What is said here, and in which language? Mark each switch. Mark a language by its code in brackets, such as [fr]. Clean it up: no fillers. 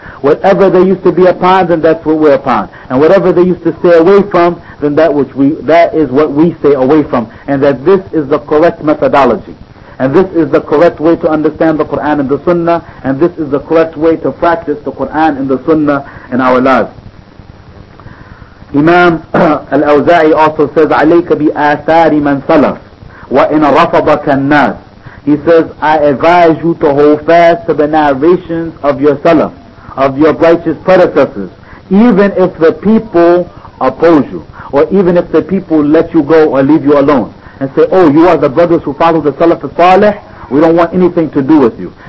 [en] Whatever they used to be upon, then that's what we're upon. And whatever they used to stay away from, then that is what we stay away from. And that this is the correct methodology. And this is the correct way to understand the Quran and the Sunnah. And this is the correct way to practice the Quran and the Sunnah in our lives. Imam al-Awza'i also says, [ar] عليك بآثار من سلف وإن رفضك الناس. [en] He says, I advise you to hold fast to the narrations of your Salaf, of your righteous predecessors, even if the people oppose you, or even if the people let you go or leave you alone and say, oh, you are the brothers who follow the Salaf al-Saleh, we don't want anything to do with you.